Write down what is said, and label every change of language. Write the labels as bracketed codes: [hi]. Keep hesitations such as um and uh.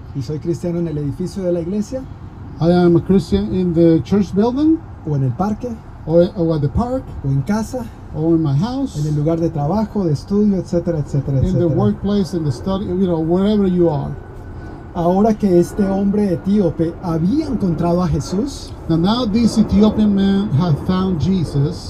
[es] Y soy cristiano en el edificio de la iglesia. [en] I am a Christian in the church building or in the park. [es] o, [en] at the park, [es] o en casa, o [en] in my house, [es] en el lugar de trabajo, de estudio, etcétera, etcétera, in etcétera. [en] In the workplace, in the study, you know, wherever you are [es] ahora que este hombre etíope había encontrado a Jesús, [en] now, now this man found Jesus.